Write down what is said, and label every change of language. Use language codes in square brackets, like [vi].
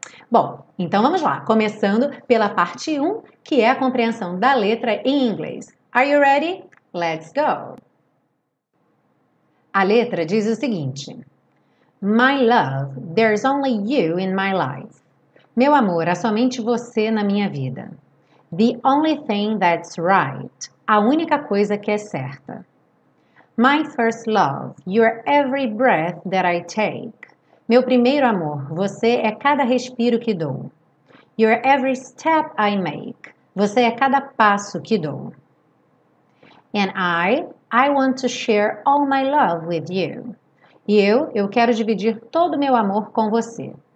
[pt] Bom, então vamos lá, começando pela parte 1, que é a compreensão da letra em inglês. [en] Are you ready? Let's go! [pt] A letra diz o seguinte: [en] My love, there's only you in my life. [pt] Meu amor, há somente você na minha vida. [en] The only thing that's right. [pt] A única coisa que é certa. [en] My first love, you're every breath that I take. [pt] Meu primeiro amor, você é cada respiro que dou. [en] You're every step I make. [pt] Você é cada passo que dou. [en] And I want to share all my love with you. [pt] E eu quero dividir todo o meu amor com você.